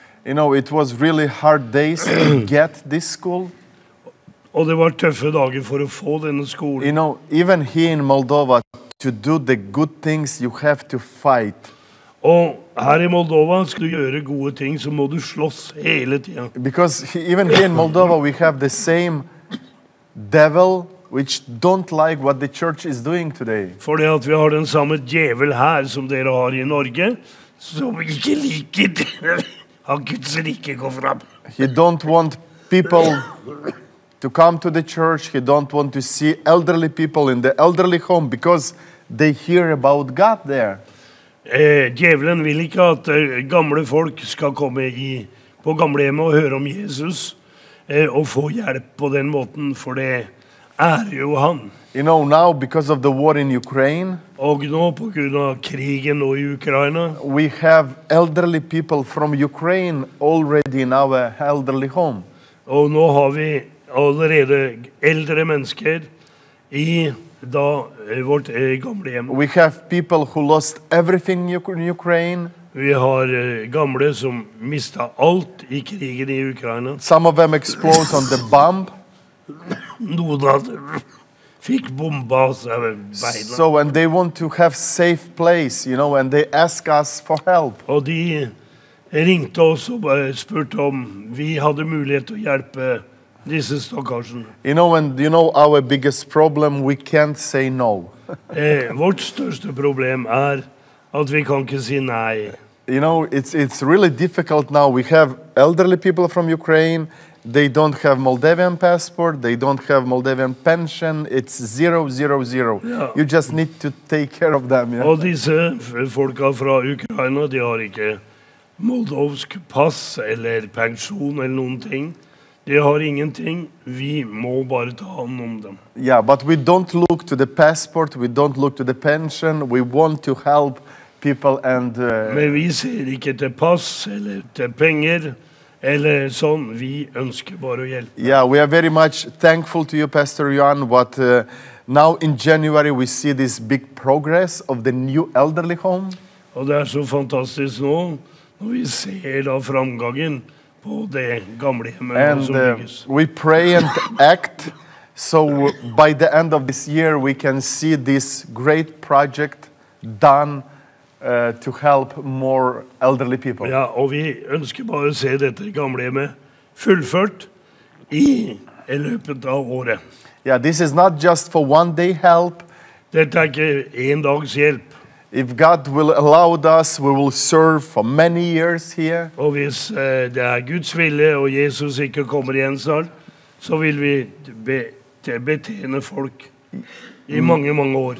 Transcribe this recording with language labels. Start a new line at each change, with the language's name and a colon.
English: You know, it was really hard days to get this school.
Norwegian: Og det var tøffe dager for å få denne skolen.
English: You know, even here in Moldova, to do the good things, you have to fight.
Norwegian: Og her i Moldova skal du gjøre gode ting, så må du slåss hele tiden.
English: Because even here in Moldova we have the same devil which don't like what the church is doing today.
Norwegian: Fordi at vi har den samme djevel her som dere har i Norge, som ikke liker at Guds rike går fram.
English: He don't want people to come to the church. He don't want to see elderly people in the elderly home because they hear about God there.
Norwegian: Djevelen vil ikke at gamle folk skal komme på gamlehjemmet og høre om Jesus og få hjelp på den måten, for det jo han.
English: You know, now because of the war in Ukraine,
Norwegian: og nå på grunn av krigen nå i Ukraina,
English: we have elderly people from Ukraine already in our elderly home.
Norwegian: Og nå har vi allerede eldre mennesker i da vårt gamle hjem.
English: We have people who lost everything in Ukraine.
Norwegian: Vi har gamle som mistet alt i krigen i Ukraina.
English: Some of them exposed on the bomb.
Norwegian: Noen av dem fikk bomba seg ved beina.
English: So, and they want to have safe place, you know, and they ask us for help.
Norwegian: Og de ringte oss og spurte om vi hadde mulighet til å hjelpe.
English: This is occasion. You know, and you know our biggest problem, we can't say no. Vårt største problem at vi kan ikke si nei. You know, it's really difficult now. We have elderly people from Ukraine. They don't have Moldavian passport. They don't have Moldavian pension. It's 000. Yeah. You just need to take care of them. Yeah?
Norwegian: Og disse folka fra Ukraina, de har ikke moldovsk pass eller pension eller noen ting. De har ingenting. Vi må bare ta hand om dem.
English: Yeah, but we don't look to the passport. We don't look to the pension. We want to help people and...
Norwegian: Men vi ser ikke til pass eller til penger. Eller sånn, vi ønsker bare å hjelpe.
English: Yeah, we are very much thankful to you, Pastor Johan, but now in January we see this big progress of the new elderly home.
Norwegian: Og det så fantastisk nå, når vi ser da framgangen på det gamle hjemmet som bygges.
English: And we pray and act, so by the end of this year we can see this great project done to help more elderly people.
Norwegian: Ja, og vi ønsker bare å se dette gamlehjemmet fullført i løpet av året.
English: Yeah, this is not just for one day help.
Norwegian: Dette ikke en dags hjelp.
English: If God will allow us, we will serve for many years here.
Norwegian: Og hvis det Guds vilje og Jesus ikke kommer igjen snart, så vil vi betjene folk i mange, mange år.